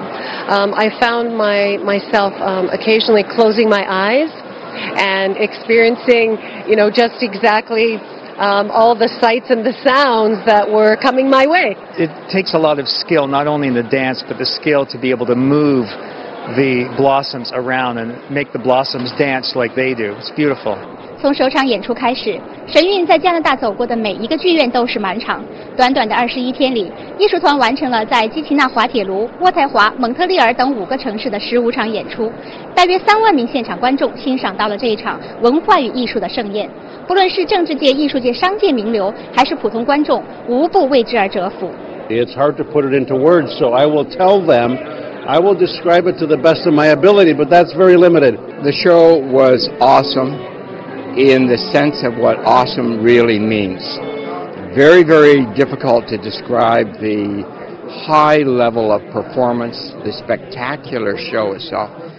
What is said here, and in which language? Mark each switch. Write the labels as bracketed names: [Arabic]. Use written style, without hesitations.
[English] I found myself occasionally closing my eyes and experiencing, you know, just exactly all the sights and the sounds that were coming my way. It takes a lot of skill, not only in the dance, but the skill to be able to move the blossoms around and make the blossoms dance like they do. It's beautiful. [Chinese] 从首场演出开始，神韵在加拿大走过的每一个剧院都是满场。短短的21天里，艺术团完成了在基奇纳滑铁卢、渥太华、蒙特利尔等5个城市的15场演出。大约30000名现场观众欣赏到了这一场文化与艺术的盛宴。不论是政治界、艺术界、商界名流，还是普通观众，无不为之而折服。 [English] It's hard to put it into words, so I will tell them. I will describe it to the best of my ability, but that's very limited. The show was awesome in the sense of what awesome really means. Very, very difficult to describe the high level of performance, the spectacular show itself.